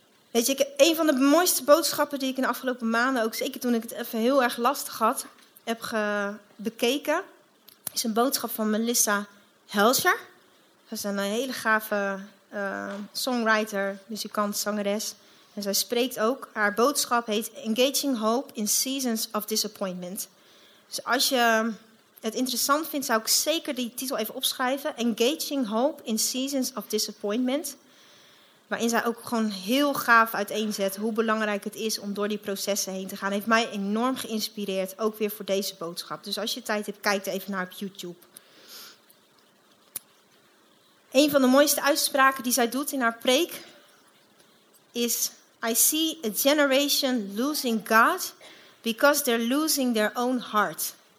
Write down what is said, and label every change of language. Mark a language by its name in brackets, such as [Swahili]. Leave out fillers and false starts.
[Dutch] Weet je, een van de mooiste boodschappen die ik in de afgelopen maanden, ook zeker toen ik het even heel erg lastig had, heb bekeken, is een boodschap van Melissa Helscher. Ze is een hele gave songwriter, muzikant, zangeres. En zij spreekt ook. Haar boodschap heet Engaging Hope in Seasons of Disappointment. Dus als je het interessant vindt, zou ik zeker die titel even opschrijven. Engaging Hope in Seasons of Disappointment. Waarin zij ook gewoon heel gaaf uiteenzet hoe belangrijk het is om door die processen heen te gaan. Heeft mij enorm geïnspireerd, ook weer voor deze boodschap. Dus als je tijd hebt, kijk er even naar op YouTube. Een van de mooiste uitspraken die zij doet in haar preek is, [English] I see a generation losing God because they're losing their own heart.